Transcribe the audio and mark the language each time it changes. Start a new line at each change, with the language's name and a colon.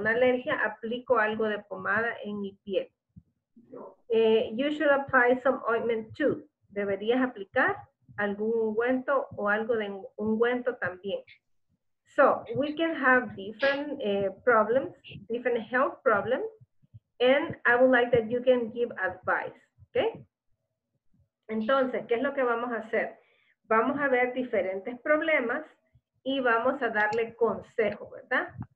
Spanish: Una alergia, aplico algo de pomada en mi piel.
English: You should apply some ointment too.
Spanish: Deberías aplicar algún ungüento o algo de ungüento también.
English: So, we can have different problems, different health problems, and I would like that you can give advice, ¿okay?
Spanish: Entonces, ¿qué es lo que vamos a hacer? Vamos a ver diferentes problemas y vamos a darle consejo, ¿verdad?